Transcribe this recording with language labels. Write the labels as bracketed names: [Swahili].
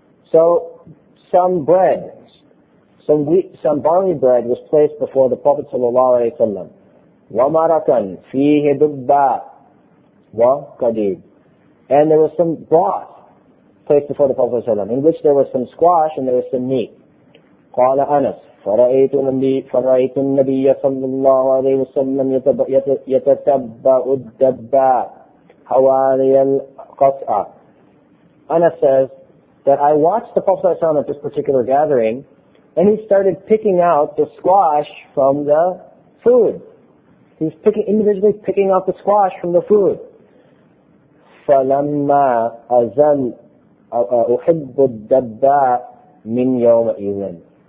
[English] So some bread, some barley bread was placed before the Prophet sallallahu alaihi wasallam. [Arabic] Wamarakan fihi dubba wa qadid. [English] And there was some broth placed before the Prophet sallallahu alaihi wasallam, in which there was some squash and there was some meat. [Arabic] قال أنس فرأيت النبي صلى الله عليه وسلم يتتبع الدباء حوالي القصعة. [English] Anas says that I watched the Prophet ﷺ at this particular gathering, and he started picking out the squash from the food. He's individually picking out the squash from the food. [Arabic] فَلَمَّا أَزَلْ أُحِبُّ الدَّبَّاءِ مِنْ يَوْمَئِذٍ.